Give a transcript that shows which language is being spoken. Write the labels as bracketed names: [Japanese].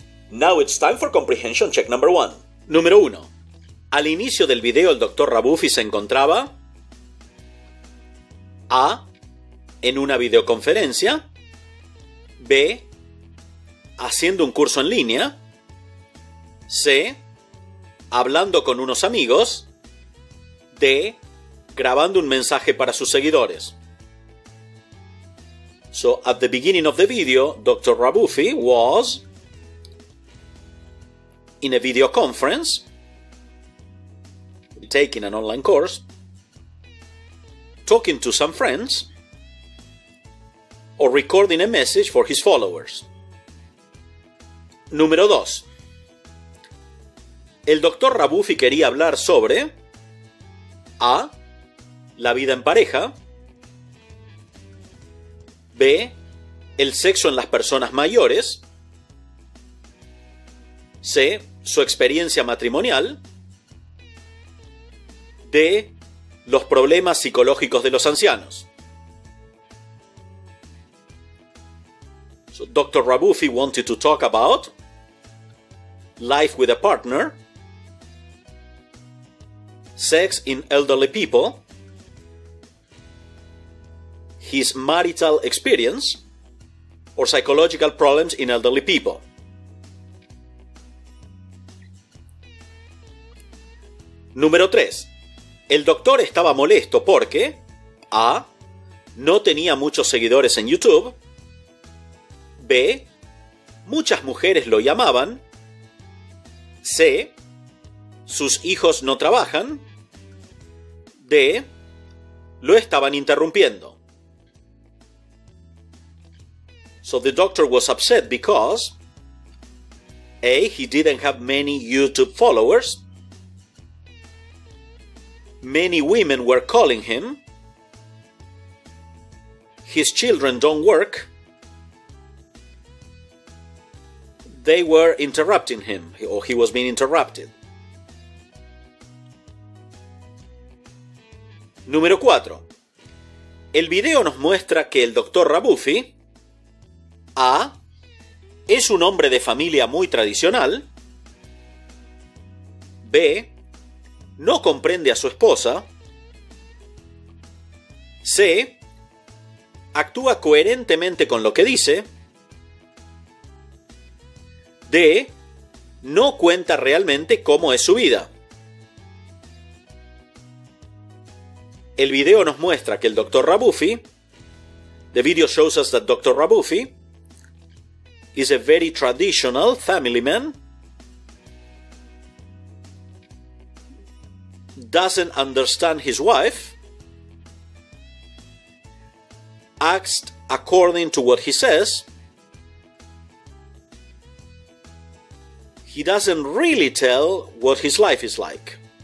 [English] Now it's time for comprehension check number one. [Spanish] Número 1. Al inicio del video el Dr. Rabuffi se encontraba... A. En una videoconferencia. B. Haciendo un curso en línea. C. Hablando con unos amigos. de grabando un mensaje para sus seguidores. [English] So, at the beginning of the video, Dr. Rabufi was in a video conference, taking an online course, talking to some friends, or recording a message for his followers. [Spanish] Número 2. El Dr. Rabufi quería hablar sobre A. la vida en pareja, B. el sexo en las personas mayores, C. su experiencia matrimonial, D. los problemas psicológicos de los ancianos. [English] So, Dr. Rabufi wanted to talk about life with a partner, sex in elderly people, his marital experience, or psychological problems in elderly people. [Spanish] Número 3. El doctor estaba molesto porque A. no tenía muchos seguidores en YouTube, B. muchas mujeres lo llamaban, C. sus hijos no trabajan, D. lo estaban interrumpiendo. [English] So the doctor was upset because A. he didn't have many YouTube followers, many women were calling him, his children don't work, they were interrupting him, or he was being interrupted. [Spanish] Número 4. El video nos muestra que el Dr. Rabufi A. es un hombre de familia muy tradicional, B. no comprende a su esposa, C. actúa coherentemente con lo que dice, D. no cuenta realmente cómo es su vida. El video nos muestra que el Dr. [English] Rabufi, the video shows us that Dr. Rabufi is a very traditional family man, doesn't understand his wife, acts according to what he says, he doesn't really tell what his life is like.